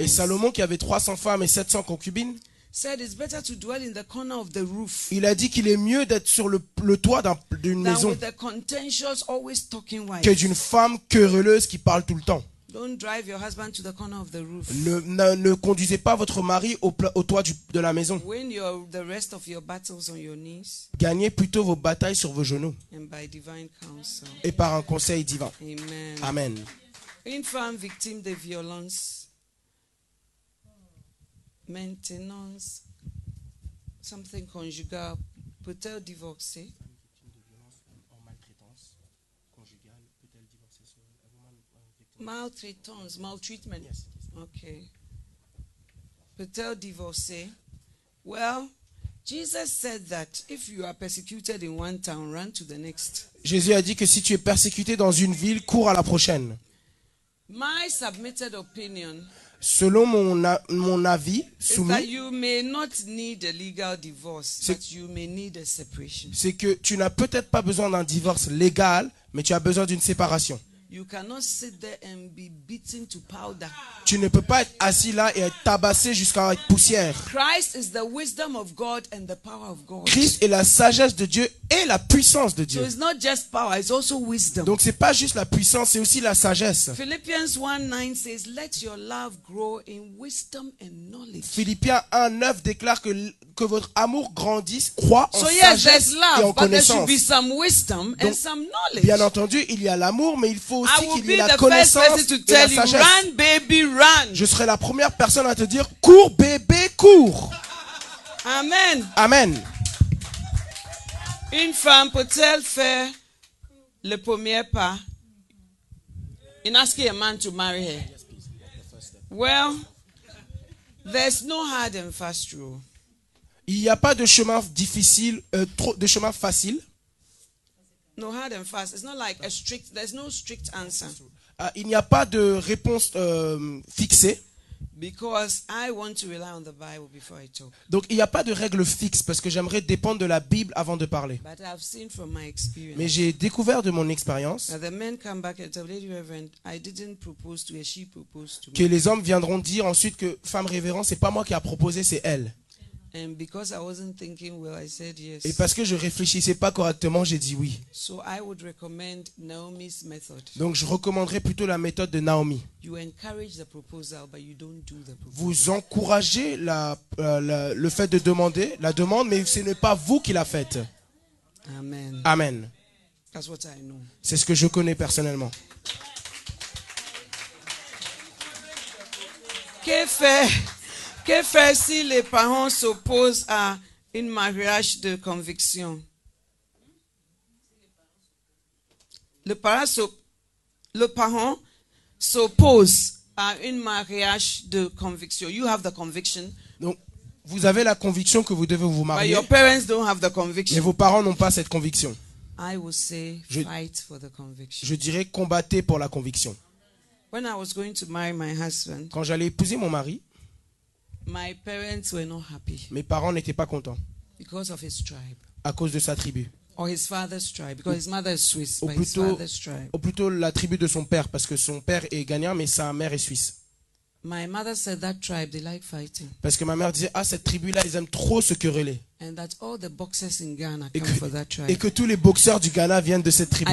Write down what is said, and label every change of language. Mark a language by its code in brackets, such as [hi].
[fr] Et Salomon qui avait 300 femmes et 700 concubines. [en] Said it's better to dwell in the corner of the roof. [fr] Il a dit qu'il est mieux d'être sur le toit d'une maison. [en] With a contentious, always talking wife. [fr] Que d'une femme querelleuse qui parle tout le temps. [en] Don't drive your husband to the corner of the roof. [fr] Ne conduisez pas votre mari au toit de la maison. [en] Win the rest of your battles on your knees. [fr] Gagnez plutôt vos batailles sur vos genoux. [en] And by divine counsel. [fr] Et par un conseil divin. Amen. Amen. Infâme victime de violence, maintenance, something conjugal, peut-elle divorcer? Victime de violence en maltraitance conjugale, peut-elle divorcer? Maltraitance, maltreatment. [en] Yes. [fr] Okay. Peut-elle divorcer? [en] Well, Jesus said that if you are persecuted in one town, run to the next. [fr] Jésus a dit que si tu es persécuté dans une ville, cours à la prochaine. [en] My submitted opinion, [fr] selon mon avis soumis, [en] that you may not need a legal divorce, but you may need a separation. [fr] C'est que tu n'as peut-être pas besoin d'un divorce légal, mais tu as besoin d'une séparation. [en] You cannot sit there and be beaten to powder. [fr] Tu ne peux pas être assis là et être tabassé jusqu'à être poussière. [en] Christ is the wisdom of God and the power of God. [fr] Christ est la sagesse de Dieu et la puissance de Dieu. [en] So it's not just power, it's also wisdom. [fr] Donc c'est pas juste la puissance, c'est aussi la sagesse. [en] Philippians 1:9 says, "Let your love grow in wisdom and knowledge." [fr] Philippiens 1:9 déclare que votre amour grandisse, croit en [en] so [fr] sagesse [en] yes, there's love, [fr] et en connaissance. [en] But there should be some wisdom and some knowledge. [fr] Bien entendu, il y a l'amour, mais il faut aussi [en] I [fr] qu'il y ait la connaissance et la sagesse. [en] Run, baby, run. [fr] Je serai la première personne à te dire, cours bébé, cours. Amen. Amen. Une femme peut-elle faire le premier pas [en] in asking a man to marry her? Well, there's no hard and fast rule. [fr] Il n'y a pas de chemin difficile, de chemin facile. [en] No hard and fast. It's not like a strict. There's no strict answer. [fr] Il n'y a pas de réponse fixée. [en] Because I want to rely on the Bible before I talk. [fr] Donc il n'y a pas de règle fixe parce que j'aimerais dépendre de la Bible avant de parler. [en] But I've seen from my experience. [fr] Mais j'ai découvert de mon expérience. [en] The men come back and tell lady reverend, I didn't propose to her. She proposed to me. [fr] Que les hommes viendront dire ensuite que femme révérend, c'est pas moi qui a proposé, c'est elle. [en] And because I wasn't thinking well, I said yes. [fr] Et parce que je réfléchissais pas correctement, j'ai dit oui. [en] So I would recommend Naomi's method. [fr] Donc je recommanderais plutôt la méthode de Naomi. [en] You encourage the proposal, but you don't do the proposal. [fr] Vous encouragez le fait de demander la demande, mais ce n'est pas vous qui la faites. Amen. Amen. [en] That's what I know. [fr] C'est ce que je connais personnellement. Que faire si les parents s'opposent à un mariage de conviction? Le parent s'oppose à un mariage de conviction. [en] You have the conviction. [fr] Donc, vous avez la conviction que vous devez vous marier. [en] But your parents don't have the conviction. [fr] Mais vos parents n'ont pas cette conviction. [en] I would say fight for the conviction. [fr] Je dirais combattez pour la conviction. [en] When I was going to marry my husband, [fr] quand j'allais épouser mon mari, [en] my parents were not happy. [fr] Mes parents n'étaient pas contents. [en] Because of his tribe. [fr] À cause de sa tribu. [en] Or his father's tribe, because his mother is Swiss, but plutôt, his father's tribe. [fr] Ou plutôt la tribu de son père, parce que son père est ghanéen, mais sa mère est suisse. [en] My mother said that tribe they like fighting. [fr] Parce que ma mère disait ah cette tribu là ils aiment trop se quereller. [en] And that all the boxers in Ghana come for that tribe. [fr] Et que tous les boxeurs du Ghana viennent de cette tribu.